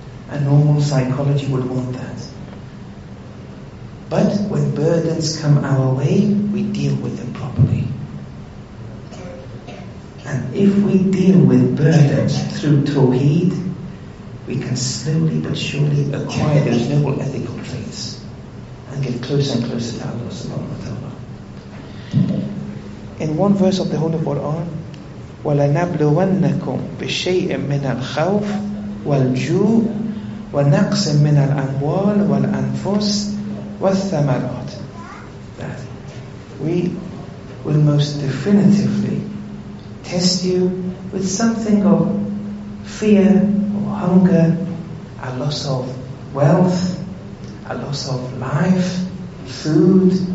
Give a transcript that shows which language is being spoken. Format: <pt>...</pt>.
<en>A normal psychology would want that. But when burdens come our way, we deal with them properly. And if we deal with burdens through Tawheed, we can slowly but surely acquire those noble ethical traits and get closer and closer to Allah subhanahu wa ta'ala. In one verse of the Holy Quran,</en> <ar>وَلَنَبْلُوَنَّكُمْ بِشَيْءٍ مِّنَ الْخَوْفِ وَالْجُوءِ وَنَقْسٍ مِّنَ الْأَمْوَالِ وَالْأَنفُسِ وَالثَّمَرَاتِ.</ar> <en>We will most definitively test you with something of fear or hunger, a loss of wealth, a loss of life, food.</en>